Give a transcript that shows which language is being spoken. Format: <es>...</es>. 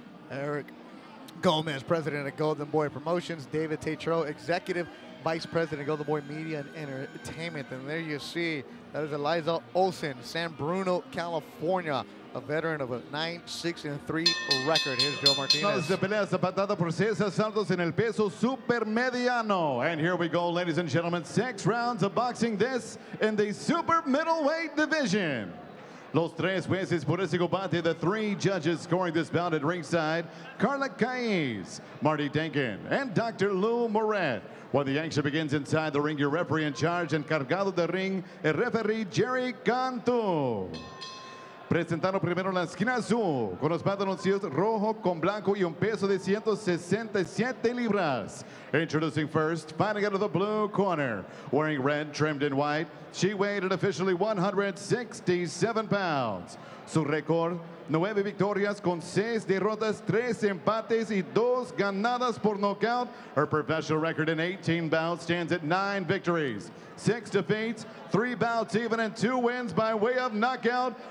<en>Eric Gomez, president of Golden Boy Promotions. David Tetro, executive vice president of Golden Boy Media and Entertainment. And there you see, that is Eliza Olsen, San Bruno, California, a veteran of a 9-6-3 record. Here's Joe Martinez.</en> <es>Se pelea zapatada por 6 asaltos en el peso super mediano.</es> <en>And here we go, ladies and gentlemen. 6 rounds of boxing, this in the super middleweight division.</en> <es>Los tres jueces por ese combate,</es> <en>the three judges scoring this bout at ringside, Carla Caiz, Marty Denken, and Dr. Lou Moret. When the action begins inside the ring, your referee in charge,</en> <es>encargado de ring, el referee Jerry Cantu. Presentando primero la esquina azul, con los pantaloncillos rojo con blanco y un peso de 167 libras.</es> <en>Introducing first, fighting out of the blue corner, wearing red, trimmed in white, she weighed at officially 167 pounds.</en> <es>Su record, 9 victorias con 6 derrotas, 3 empates y 2 ganadas por knockout.</es> <en>Her professional record in 18 bouts stands at 9 victories, 6 defeats, 3 bouts even, and 2 wins by way of knockout.</en>